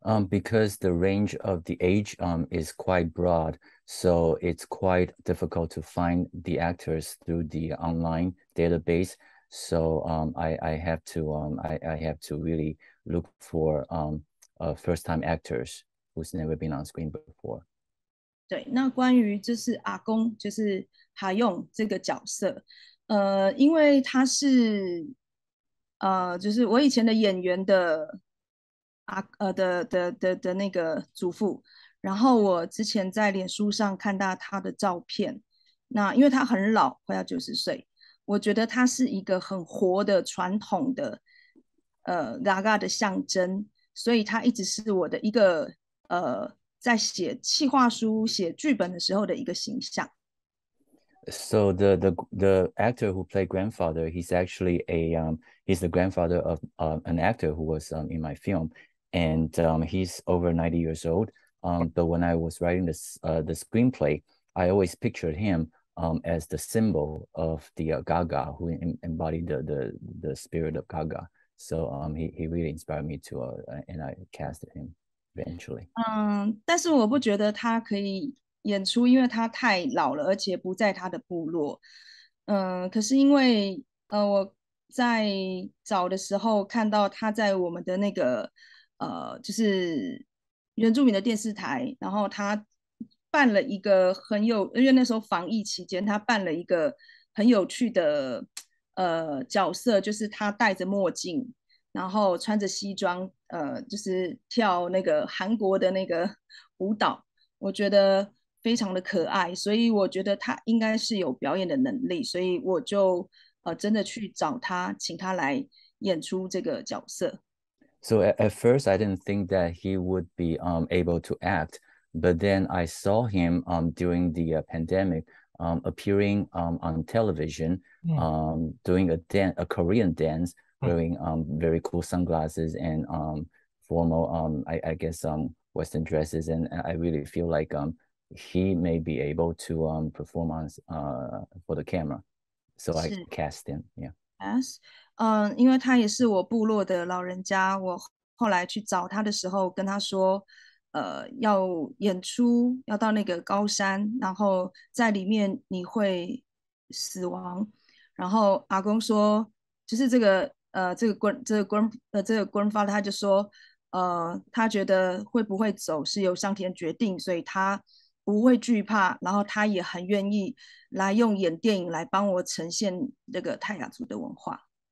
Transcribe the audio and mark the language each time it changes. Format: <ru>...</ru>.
<en>Because the range of the age is quite broad, so it's quite difficult to find the actors through the online database. So I have to really look for first-time actors who's never been on screen before.</en> <zh>对，那关于就是阿公，就是哈用这个角色，因为他是就是我以前的演员的阿的那个祖父，然后我之前在脸书上看到他的照片，那因为他很老，快要90岁，我觉得他是一个很活的传统的Gaga 的象征，所以他一直是我的一个在写企划书、写剧本的时候的一个形象。</zh> <en>So the actor who played grandfather, he's actually a he's the grandfather of an actor who was in my film, and he's over 90 years old. But when I was writing this the screenplay, I always pictured him as the symbol of the Gaga, who embodied the spirit of Gaga. So he really inspired me to and I casted him eventually.</en> <zh>但是我不觉得他可以演出，因为他太老了，而且不在他的部落。可是因为我在找的时候看到他在我们的那个就是原住民的电视台，然后他办了一个很有，因为那时候防疫期间，他办了一个很有趣的角色，就是他戴着墨镜，然后穿着西装，就是跳那个韩国的那个舞蹈，我觉得非常的可爱，所以我觉得他应该是有表演的能力，所以我就真的去找他，请他来演出这个角色。</zh> <en>So at first, I didn't think that he would be able to act, but then I saw him during the pandemic appearing on television, doing a Korean dance, wearing very cool sunglasses and formal, I guess, Western dresses. And I really feel like he may be able to perform on for the camera. So I cast him, yeah. Yes.</en> <zh>因为他也是我部落的老人家，我后来去找他的时候跟他说要演出，要到那个高山，然后在里面你会死亡，然后阿公说就是这个grandfather 他就说他觉得会不会走是由上天决定，所以他不会惧怕，然后他也很愿意来用演电影来帮我呈现那个泰雅族的文化。</zh>